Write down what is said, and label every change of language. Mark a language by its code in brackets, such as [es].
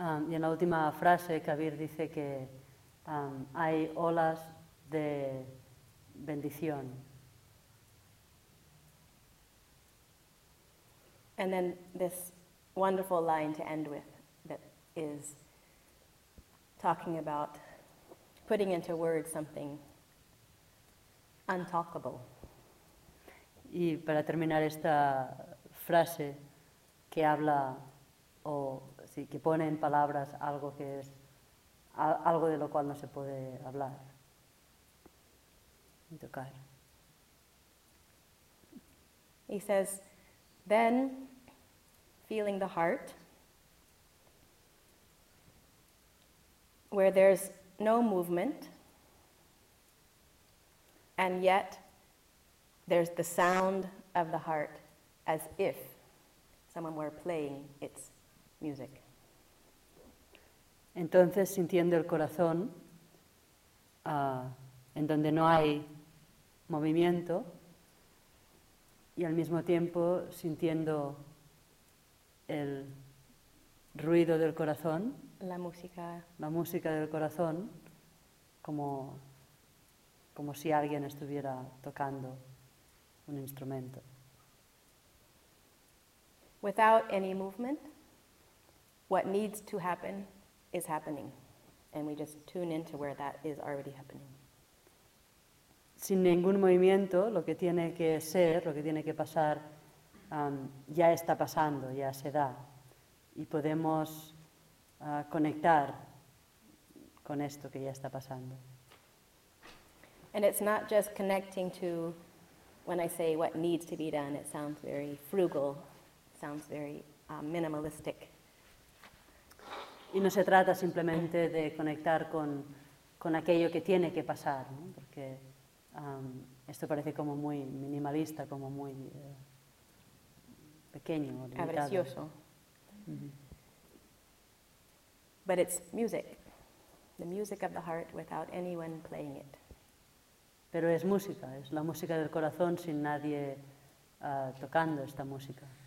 [es] Y en la última frase, Kabir dice que hay olas de bendición. [en] And then this wonderful line to end with that is talking about putting into words something untalkable. Y para terminar esta frase que habla o sí, que pone en palabras algo que es algo de lo cual no se puede hablar ni tocar. He says, then feeling the heart, where there's no movement, and yet there's the sound of the heart as if someone were playing its music. [es] Entonces, sintiendo el corazón, en donde no hay movimiento, y al mismo tiempo sintiendo el ruido del corazón, la música del corazón, como si alguien estuviera tocando un instrumento. [en] Without any movement, what needs to happen is happening, and we just tune into where that is already happening. [es] Sin ningún movimiento, lo que tiene que ser, lo que tiene que pasar, ya está pasando, ya se da, y podemos conectar con esto que ya está pasando. [en] And it's not just connecting to, when I say what needs to be done, it sounds very frugal, sounds very minimalistic. [es] Y no se trata simplemente de conectar con aquello que tiene que pasar, ¿no? Porque esto parece como muy minimalista, como muy pequeño, limitado. Avaricioso. [en] But it's music, the music of the heart without anyone playing it. [es] Pero es música, es la música del corazón sin nadie tocando esta música.